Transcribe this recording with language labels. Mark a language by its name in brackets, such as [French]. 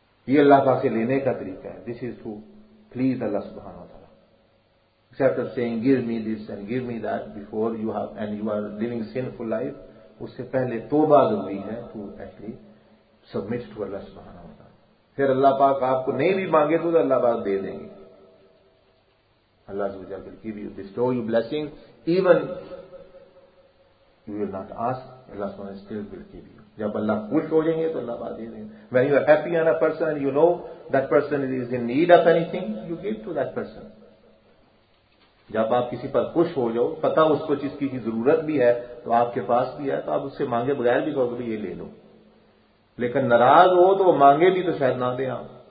[Urdu] یہ اللہ پاک سے لینے کا طریقہ ہے, [English] this is to please اللہ سبحانہ تعالیٰ, accept of seeing give me this and give me that before you have and you are living sinful life, [Urdu] اس سے پہلے توبہ ضروری ہے, [English] To actually submit to Allah سبحانہ تعالیٰ. [Urdu] پھر اللہ پاک آپ کو نہیں بھی مانگے تو اللہ پاک دے دیں گے. [English] اللہ عز و جل will give you, bestow you blessing, even you will not ask, Allah سبحانہ وتعالی still will give you. [Urdu] جب اللہ خوش ہو جائیں گے تو اللہ پاک دے دیں گے. [English] When you are happy on a person and you know that person is in need of anything, you give to that person. [Urdu] جب آپ کسی پر خوش ہو جاؤ, پتا اس کو جس کی ضرورت بھی ہے تو آپ کے پاس بھی ہے, تو آپ اس سے مانگے بغیر بھی کہو کہ یہ لے لو. لیکن ناراض ہو تو وہ مانگے بھی تو شاید نہ دیں آپ.